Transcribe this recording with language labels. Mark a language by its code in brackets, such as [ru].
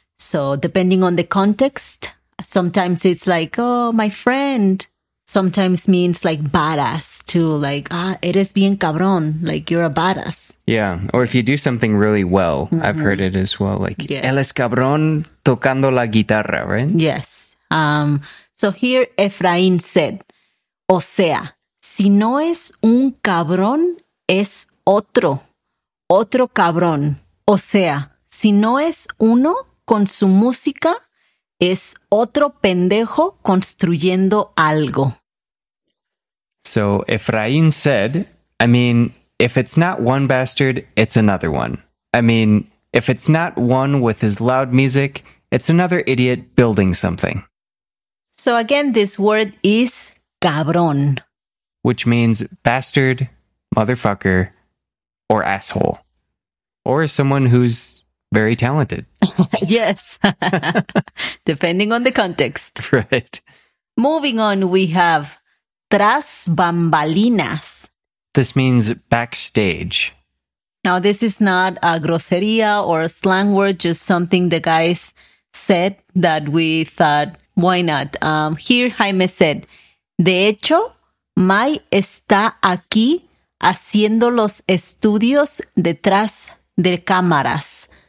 [en] So depending on the context, sometimes it's like, oh, my friend. Sometimes means like badass too, like, ah, [es] eres bien cabrón, [en] like you're a badass. Yeah, or if you do something really well, mm-hmm. I've heard it as well, like, [es] él es cabrón tocando la guitarra, [en] right? Yes. So here Efraín said, [es] o sea, si no es un cabrón, es otro, otro cabrón. O sea, si no es uno con su música, es otro pendejo construyendo algo. [en] So Efraín said, I mean, if it's not one bastard, it's another one. I mean, if it's not one with his loud music, it's another idiot building something. So again, this word is cabrón, which means bastard, motherfucker, or asshole. Or someone who's very talented. Yes. Depending on the context. Right. Moving on, we have tras bambalinas. This means backstage. Now, this is not a grosería or a slang word, just something the guys said that we thought, why not? Here, Jaime said, [es] de hecho, Mai está aquí haciendo los estudios detrás de cámaras.